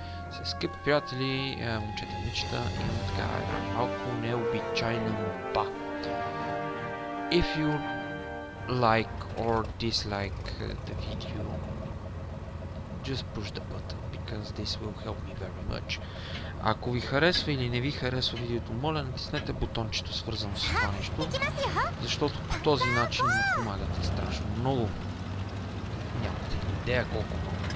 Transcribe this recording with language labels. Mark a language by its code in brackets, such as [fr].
[bg] Се скъпи приятели, момчета и момичета, имам така една малко необичайна молба. [en] If you like or dislike the video, just push the button, because this will help me very much. [bg] Ако ви харесва или не ви харесва видеото, моля натиснете бутончето, свързано с това нещо, защото по този начин ми помагате страшно много. Нямате идея колко много.